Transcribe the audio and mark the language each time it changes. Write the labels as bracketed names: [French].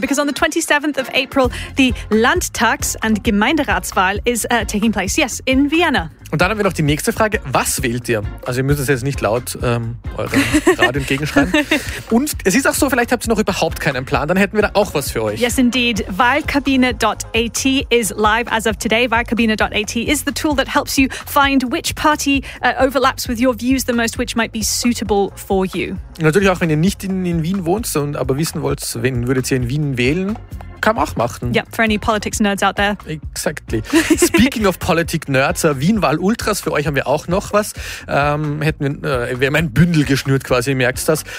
[English] Because on the 27th of April, the Landtags- and Gemeinderatswahl is taking place. Yes, in Vienna. [German] Und dann haben wir noch die nächste Frage. Was wählt ihr? Also ihr müsst es jetzt nicht laut eurem Radio entgegenschreiben. Und es ist auch so, vielleicht habt ihr noch überhaupt keinen Plan. Dann hätten wir da auch was für euch. [English] Yes, indeed. Wahlkabine.at is live as of today. Wahlkabine.at is the tool that helps you find which party overlaps with your views the most, which might be suitable for you. [German] Natürlich auch, wenn ihr nicht in Wien wohnt, und aber wissen wollt, wen würdet ihr in Wien wählen? Kann man auch machen. [English] Yep, for any politics nerds out there. Exactly. Speaking of politics nerds, [German] Wien-Wahl-Ultras, für euch haben wir auch noch was. Wir haben ein Bündel geschnürt quasi, ihr merkt das.